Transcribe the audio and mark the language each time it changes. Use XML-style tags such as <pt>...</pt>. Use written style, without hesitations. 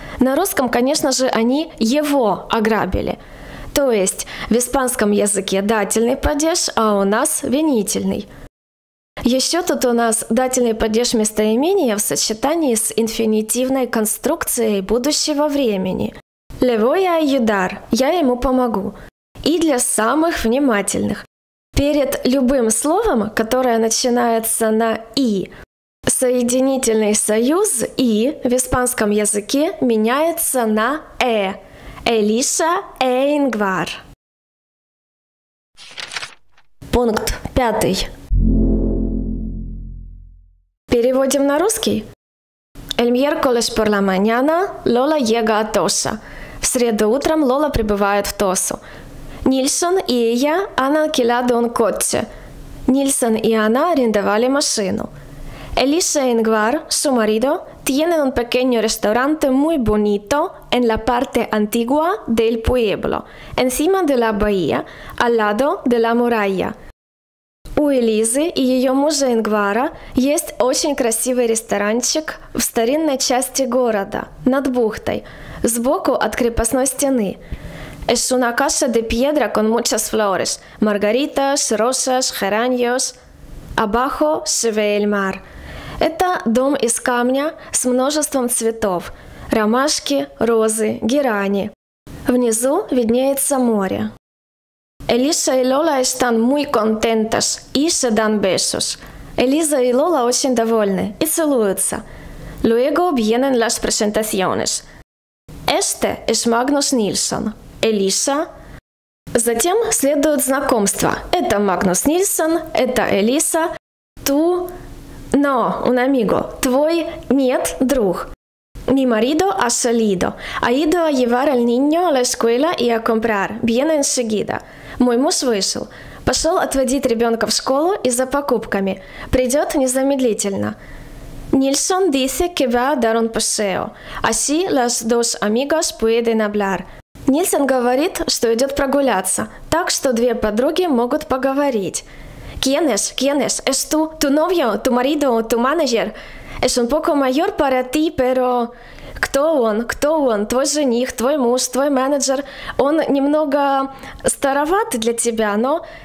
<ru>На русском, конечно же, они его ограбили. То есть в испанском языке дательный падеж, а у нас винительный. Еще тут у нас дательный падеж местоимения в сочетании с инфинитивной конструкцией будущего времени.</ru> <es>«Le voy a ayudar» –</es> <ru>«Я ему помогу». И для самых внимательных. Перед любым словом, которое начинается на «и», соединительный союз «и» в испанском языке меняется на «э».</ru> <es>«Элиша э ингвар».</es> <ru>Пункт пятый. Переводим на русский.</ru> <es>El miércoles por la mañana Lola llega a Tosa.</es> <ru>В среду утром Лола прибывает в Тосу. Нильсон и я</ru> <es>han alquilado un coche.</es> <ru>Нильсон и она арендовали машину.</ru> <es>Elisa y Ingvar, su marido, tienen un pequeño restaurante muy bonito en la parte antigua del pueblo, encima de la bahía, al lado de la muralla. У Элизы и ее мужа Ингвара есть очень красивый ресторанчик в старинной части города, над бухтой, сбоку от крепостной стены. Es una casa de piedra con muchas flores, margaritas, rosas, geranios. Abajo se ve el mar.</es> <ru>Это дом из камня с множеством цветов, ромашки, розы, герани. Внизу виднеется море.</ru> <es>Elisa y Lola están muy contentas y se dan besos.</es> <ru>Elisa y Lola очень довольны и целуются.</ru> <es>Luego vienen las presentaciones. Este es Magnus Nilsson. Elisa.</es> <ru>Затем следует знакомство. Это Магнус Нильсон, это Элиса.</ru> <es>Tu, no, un amigo.</es> <ru>Твой, нет, друг.</ru> <es>Mi marido ha salido. Ha ido a llevar al niño a la escuela y a comprar. Viene enseguida.</es> <ru>Мой муж вышел. Пошел отводить ребенка в школу и за покупками. Придет незамедлительно.</ru> <es>Nilsson dice que va a dar un paseo. Así las dos amigas pueden hablar.</es> <ru>Nilsson говорит, что идет прогуляться, так что две подруги могут поговорить.</ru> <es>¿Quién es? ¿Quién es? ¿Es tú? ¿Tu novio? ¿Tu marido? ¿Tu manager? Es un poco mayor para ti, pero...</es> <ru>Кто он? Кто он? Твой жених, твой муж, твой менеджер. Он немного староват для тебя, но...</ru>